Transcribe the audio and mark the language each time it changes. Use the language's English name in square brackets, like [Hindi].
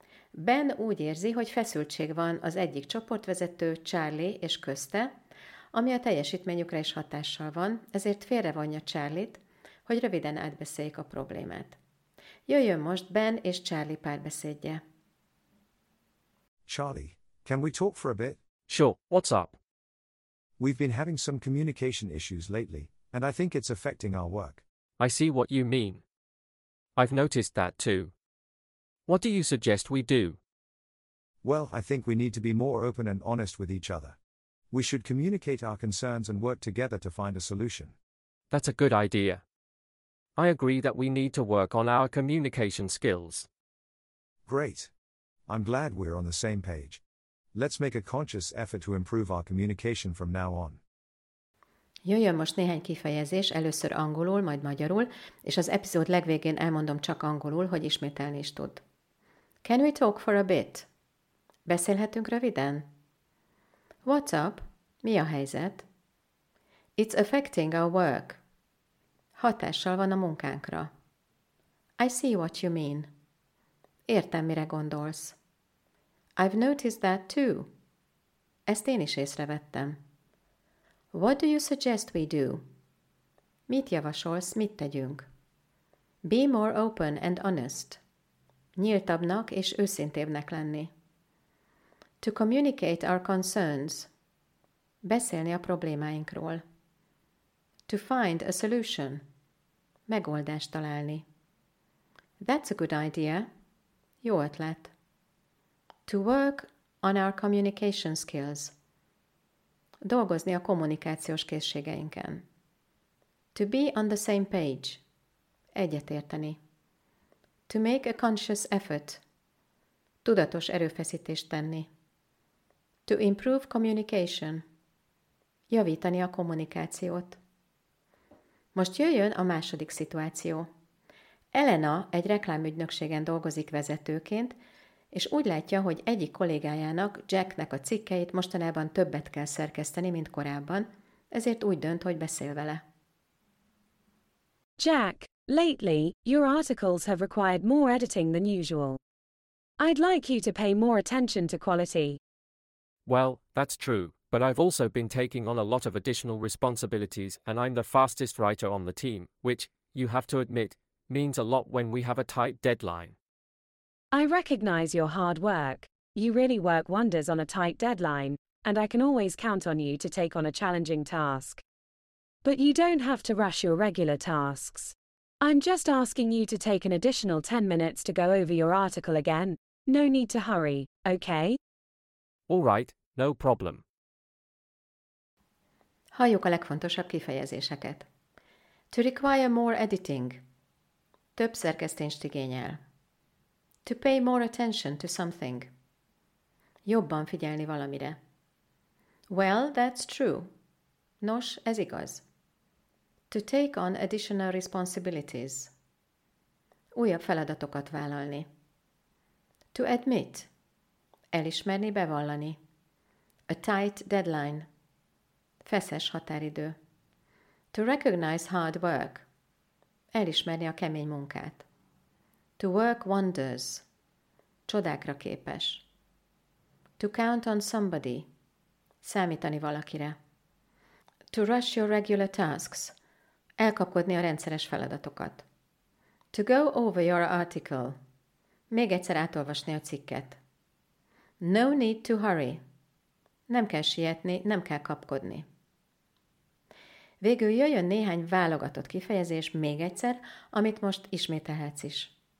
[Hungarian] Ben úgy érzi, hogy feszültség van az egyik csoportvezető, Charlie és közte, ami a teljesítményükre is hatással van, ezért félrevonja Charlie-t, hogy röviden átbeszéljék a problémát. Jöjjön most Ben és Charlie párbeszédje. [English] Charlie, can we talk for a bit? Sure, what's up? We've been having some communication issues lately, and I think it's affecting our work. I see what you mean. I've noticed that too. What do you suggest we do? Well, I think we need to be more open and honest with each other. We should communicate our concerns and work together to find a solution. That's a good idea. I agree that we need to work on our communication skills. Great. I'm glad we're on the same page. Let's make a conscious effort to improve our communication from now on. [Hungarian] Jöjjön most néhány kifejezés, először angolul, majd magyarul, és az epizód legvégén elmondom csak angolul, hogy ismételni is tud. [English] Can we talk for a bit? [Hungarian] Beszélhetünk röviden? [English] What's up? [Hungarian] Mi a helyzet? [English] It's affecting our work. [Hungarian] Hatással van a munkánkra. [English] I see what you mean. [Hungarian] Értem, mire gondolsz. [English] I've noticed that too. [Hungarian] Ezt én is észrevettem. [English] What do you suggest we do? [Hungarian] Mit javasolsz, mit tegyünk? [English] Be more open and honest. [Hungarian] Nyíltabbnak és őszintébbnek lenni. [English] To communicate our concerns. [Hungarian] Beszélni a problémáinkról. [English] To find a solution. [Hungarian] Megoldást találni. [English] That's a good idea. [Hungarian] Jó ötlet. [English] To work on our communication skills. [Hungarian] Dolgozni a kommunikációs készségeinken. [English] To be on the same page. [Hungarian] Egyetérteni. [English] To make a conscious effort. [Hungarian] Tudatos erőfeszítést tenni. [English] To improve communication. [Hungarian] Javítani a kommunikációt. Most jöjjön a második szituáció. Elena egy reklámügynökségen dolgozik vezetőként, és úgy látja, hogy egyik kollégájának, Jacknek a cikkeit mostanában többet kell szerkeszteni, mint korábban, ezért úgy dönt, hogy beszél vele. [English] Jack, lately, your articles have required more editing than usual. I'd like you to pay more attention to quality. Well, that's true, but I've also been taking on a lot of additional responsibilities and I'm the fastest writer on the team, which, you have to admit, means a lot when we have a tight deadline. I recognize your hard work. You really work wonders on a tight deadline, and I can always count on you to take on a challenging task. But you don't have to rush your regular tasks. I'm just asking you to take an additional 10 minutes to go over your article again. No need to hurry, okay? All right, no problem. [Hungarian] Halljuk a legfontosabb kifejezéseket. [English] To require more editing. [Hungarian] Több szerkesztést igényel. [English] To pay more attention to something. [Hungarian] Jobban figyelni valamire. [English] Well, that's true. [Hungarian] Nos, ez igaz. [English] To take on additional responsibilities. [Hungarian] Újabb feladatokat vállalni. [English] To admit. [Hungarian] Elismerni, bevallani. [English] A tight deadline. [Hungarian] Feszes határidő. [English] To recognize hard work. [Hungarian] Elismerni a kemény munkát. [English] To work wonders. [Hungarian] Csodákra képes. [English] To count on somebody. [Hungarian] Számítani valakire. [English] To rush your regular tasks. [Hungarian] Elkapkodni a rendszeres feladatokat. [English] To go over your article. [Hungarian] Még egyszer átolvasni a cikket. [English] No need to hurry. [Hungarian] Nem kell sietni, nem kell kapkodni. Végül jöjjön néhány válogatott kifejezés még egyszer, amit most ismételhetsz is.